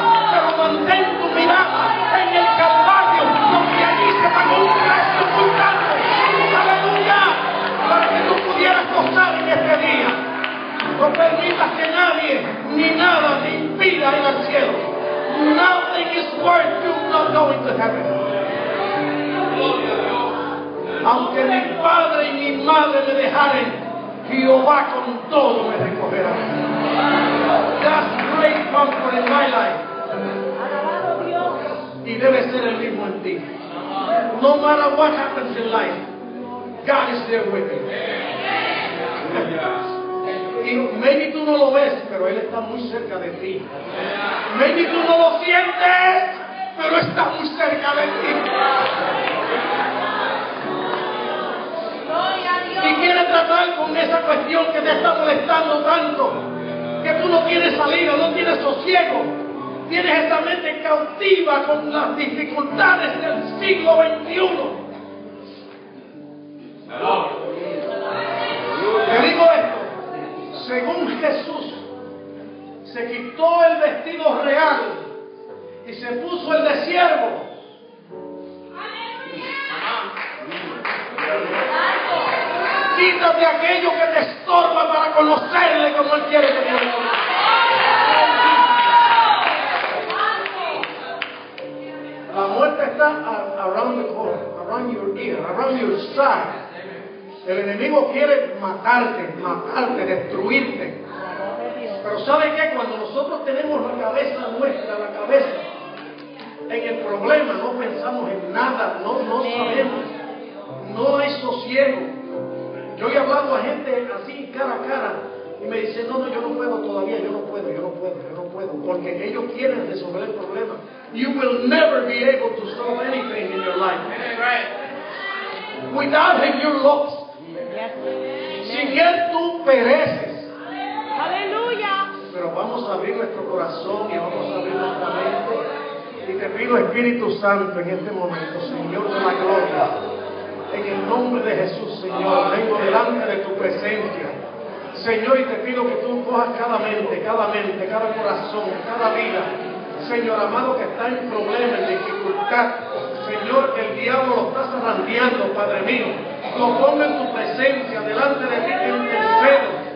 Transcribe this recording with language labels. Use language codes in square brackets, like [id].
[es] Pero mantén tu mirada en el Calvario, donde allí se pagó un precio muy grande. Aleluya, para que tú pudieras gozar en este día. No permitas que nadie ni nada te impida ir al cielo. [en] Nothing is worth you not going to heaven. [es] Aunque mi padre y mi madre me dejaren, Jehová con todo me recogerá. [en] That's great comfort in my life. [es] Y debe ser el mismo en ti. [en] No matter what happens in life, God is there with me. [es] Y maybe tú no lo ves, pero Él está muy cerca de ti. Maybe tú no lo sientes, pero está muy cerca de ti. Y quiere tratar con esa cuestión que te está molestando tanto, que tú no tienes salida, no tienes sosiego, tienes esa mente cautiva con las dificultades del siglo XXI. Te digo esto, según Jesús, se quitó el vestido real y se puso el de siervo. Quítate aquello que te estorba para conocerle como Él quiere que te conozca. La muerte está [en] around the corner, around your ear, around your side. [es] El enemigo quiere matarte, destruirte. Pero ¿sabe qué? Cuando nosotros tenemos la cabeza nuestra, la cabeza en el problema, no pensamos en nada, no sabemos, no hay sosiego. Yo he hablado a gente así cara a cara y me dicen, no, yo no puedo todavía, yo no puedo, porque ellos quieren resolver el problema. [en] You will never be able to solve anything in your life without him, you're lost. [es] Sin él tú pereces. Aleluya. Pero vamos a abrir nuestro corazón y vamos a abrir nuestra mente. Y te pido, Espíritu Santo, en este momento, Señor de la gloria, en el nombre de Jesús, Señor, vengo delante de tu presencia, Señor, y te pido que tú cojas cada mente, cada corazón, cada vida, Señor amado, que está en problemas, en dificultad, Señor, que el diablo lo está zarandeando, Padre mío, lo ponga en tu presencia, delante de ti, que intercedo.